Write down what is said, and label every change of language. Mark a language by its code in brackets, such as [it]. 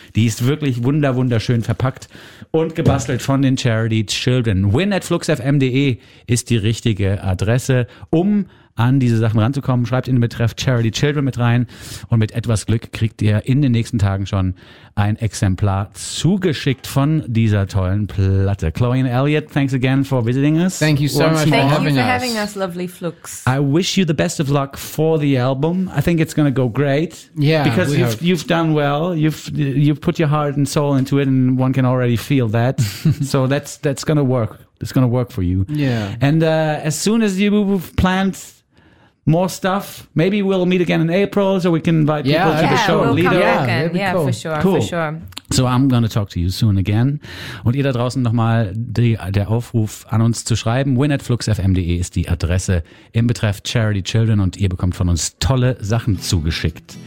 [de] Die ist wirklich wunderschön verpackt und gebastelt von den Charity Children. win@fluxfm.de ist die richtige Adresse, um an diese Sachen ranzukommen. Schreibt in den Betreff Charity Children mit rein und mit etwas Glück kriegt ihr in den nächsten Tagen schon ein Exemplar zugeschickt von dieser tollen Platte. [en] Chloe and Elliot, thanks again for visiting us. Thank you so much for having us. Thank you for having us, lovely Flux. I wish you the best of luck for the album. I think it's going to go great. Yeah, because you've done well. You've put your heart and soul into it and one can already feel that. So that's going to work. It's going to work for you. Yeah. And as soon as you plant more stuff, maybe we'll meet again in April so we can invite people to the show. We'll come back for sure. So I'm going to talk to you soon again. [de] Und ihr da draußen nochmal der Aufruf an uns zu schreiben. win@fluxfm.de ist die Adresse im Betreff Charity Children und ihr bekommt von uns tolle Sachen zugeschickt.